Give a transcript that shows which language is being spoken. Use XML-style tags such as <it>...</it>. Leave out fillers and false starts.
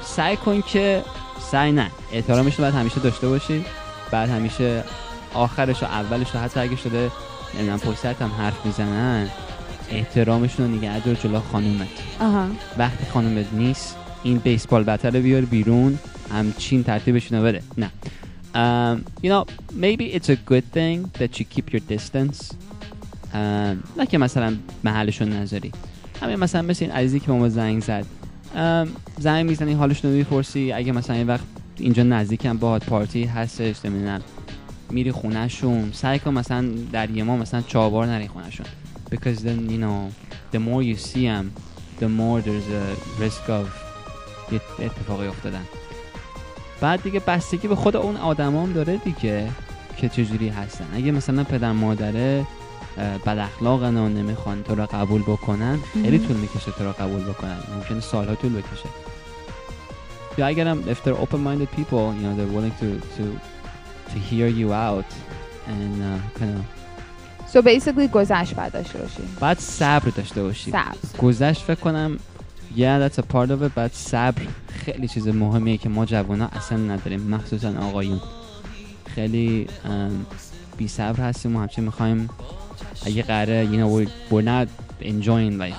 <fa>سعی کن که سعی نه احترامش رو باید همیشه داشته باشی. بعد همیشه آخرش و اولش و حتی اگه شده نمیدونم پسرت هم حرف میزنن، احترامشون رو نگه دار جلو خانومت. وقتی خانومت نیست این بیسبال بتر رو بیار بیرون، همچین ترتیبشون رو بده. نه</fa> <en>you know, maybe it's a good thing that you keep your distance.</en> <fa>نه که مثلا محلشون نذاری. همین مثلا مثل این عزیزی که با ما زنگ زد، زنگ میزنی حالشون رو میپرسی، اگه مثلا این وقت اینجا نزدیکم باهات پارتی هستش نمیدونم، میری خونهشون. سعی کن مثلا در یه ما مثلا چهار نری خونهشون،</fa> <en>because then you know the more you see them the more there's a risk of</en> <fa>اتفاقی افتادن. بعد دیگه بستگی به خود اون آدم هم داره دیگه که چجوری هستن. اگه مثلا پدر مادره بد اخلاقن و نمیخوان تو را قبول بکنن، خیلی طول میکشه تو را قبول بکنن، ممکنه سالها طول بکشه. یا اگر هم</fa> <en>if they're open-minded people, you know, they're willing to hear you out and kind of. So basically</en> <fa>گذشت باید داشته باشی. باید صبر داشته باشی. صبر. گذشت فکر کنم</fa> <en>yeah, that's a part of it.</en> <fa>باید صبر خیلی چیز مهمیه که ما جوان ها اصلا نداریم، مخصوصا آقایون. خیلی بی صبر هستیم و همچنین میخواییم اگه قراره</fa> <en>you know, we're not enjoying life.</en>